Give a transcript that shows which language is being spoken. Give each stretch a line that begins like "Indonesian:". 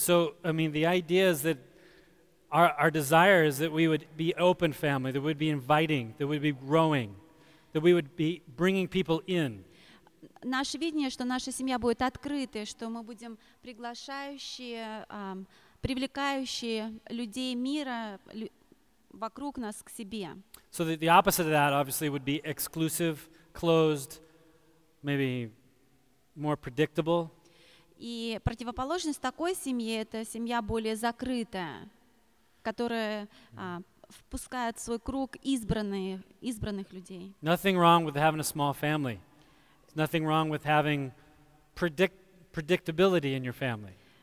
English: So, I mean, the idea is that our desire is that we would be open family, that we'd be inviting, that we'd be growing, that we would be bringing people in.
Russian: Наше видение, что наша семья будет открытой, что мы будем приглашающие, привлекающие людей мира вокруг нас к себе.
English: So the opposite of that obviously would be exclusive, closed, maybe more predictable.
Russian: И противоположность такой семьи – это семья более закрытая, которая впускает в свой круг избранных людей.
English: Nothing wrong with having a small family. There's nothing wrong with having predictability in your family.